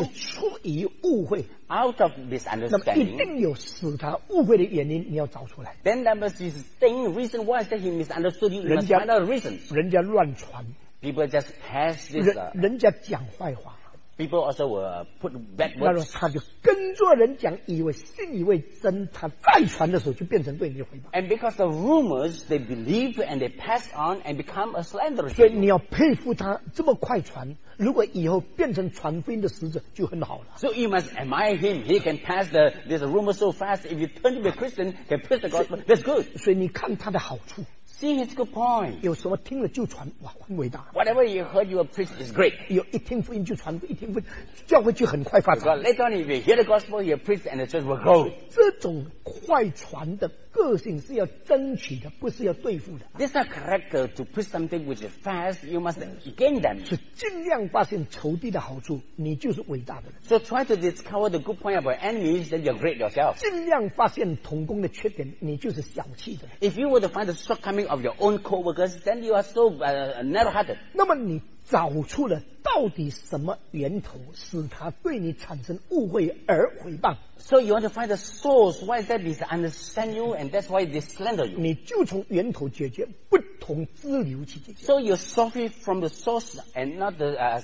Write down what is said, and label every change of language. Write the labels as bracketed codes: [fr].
[zh] 是出于误会， [en] out of misunderstanding, [zh] 那么一定有使他误会的原因，你要找出来。 [en] Then that must be the thing, reason why that he misunderstood you. You must find out the reasons. [zh] 人家乱传， [en] people just pass this. [zh] 人家讲坏话。 [en] People also will put bad words. [zh] 他就跟着人讲，以为信以为真，他再传的时候就变成对你的诽谤。 [en] And because the rumors they believe and they pass on and become a slanderer. [zh] 所以你要佩服他这么快传，如果以后变成传福音的使者就很好了。 [en] So you must admire him. He can pass this rumor so fast. If you turn to be a Christian, can preach the gospel. That's good. [zh] 所以你看他的好处。 [en] See his good point. [zh] 有什么听了就传，哇，很伟大。 [en] Whatever you heard, you preach is great. [zh] 有一听福音就传，一听福音，教会就很快发展。 [en] Later on, if you hear the gospel, you preach and the church will grow. [zh] 这种快传的个性是要争取的，不是要对付的。 [en] This is a character to preach something which is fast. You must gain them. [zh] 是尽量发现仇敌的好处，你就是伟大的人。 [en] So try to discover the good point of your enemies, then you're great yourself. [zh] 尽量发现同工的缺点，你就是小气的人。 [en] If you were to find the shortcoming of your own co-workers, then you are so narrow-hearted. [zh] 那么你找出了到底什么源头使他对你产生误会而诽谤。 [en] So you want to find the source why that misunderstand you and that's why they slander you. [zh] 你就从源头解决，不同支流去解决。 [en] So you solve it from the source and not the